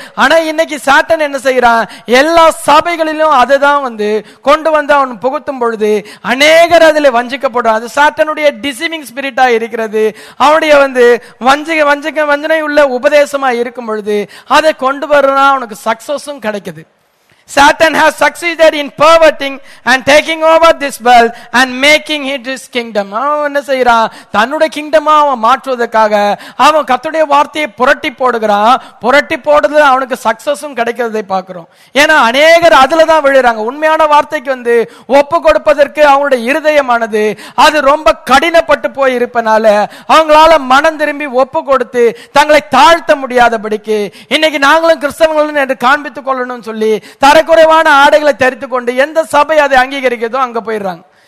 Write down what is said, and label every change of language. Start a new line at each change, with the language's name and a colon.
Tamil: ஆனா இன்னைக்கு சாத்தன் என்ன செய்யறான், எல்லா சபைகளிலும் அதுதான் வந்து கொண்டு வந்து அவன் புகுத்தும் பொழுது அநேகர் அதில் வஞ்சிக்கப்படுறான். அது சாத்தானுடைய டிசீவிங் ஸ்பிரிட்டா இருக்கிறது. அவனுடைய வந்து வஞ்சனை உள்ள உபதேசமா இருக்கும் பொழுது அதை கொண்டு வரனா அவனுக்கு சக்சஸும் கிடைக்குது.
English: Satan has succeeded in perverting and taking over this world and making it his kingdom.
Tamil: அவன் செய்றா தன்னுடைய கிங்டமா அவன் மாற்றுவதற்காக அவன் கர்த்தருடைய வார்த்தையை புரட்டி போடுகிறான். புரட்டி போடுறதுல அவனுக்கு சக்சஸும் கிடைக்கிறதை பார்க்கிறோம். ஏன்னா அநேகர் அதுலதான் விழுறாங்க. உண்மையான வார்த்தைக்கு வந்து ஒப்பு கொடுப்பதற்கு அவனுடைய இருதயமானது அது ரொம்ப கடினப்பட்டு போய் இருப்பனால அவங்களால மனம் திரும்பி ஒப்பு கொடுத்து தங்களை தாழ்த்த முடியாதபடிக்கு இன்னைக்கு நாங்களும் கிறிஸ்தவங்கள் என்று காண்பித்துக் கொள்ளணும்னு சொல்லி தரக்குறைவான ஆடைகளை தரித்து கொண்டு எந்த சபை அதை அங்கீகரிக்கதோ அங்க போயிடுறாங்க.